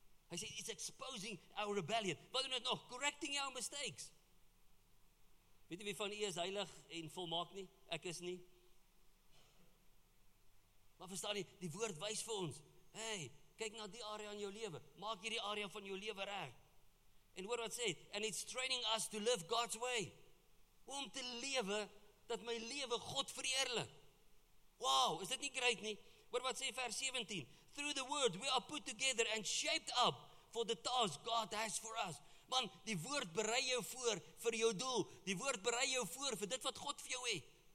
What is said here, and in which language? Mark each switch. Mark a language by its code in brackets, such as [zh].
[af] Hy sê, [en] it's exposing our rebellion. [af] Wat doen dit nog? [en] Correcting our mistakes. [af] Weet jy wie van u is heilig en volmaak nie? Ek is nie. Maar verstaan jy, die woord wys vir ons. Hey, kyk na die area in jou lewe. Maak hierdie area van jou lewe reg. En hoor wat sê, [en] and it's training us to live God's way. [af] Om te lewe, dat my lewe God vereerlik. Wow, is dit nie great nie? Hoor wat sê vers 17. [en] Through the word we are put together and shaped up for the task God has for us. [af] Man, die woord berei jou voor vir jou doel. Die woord berei jou voor vir dit wat God vir jou het.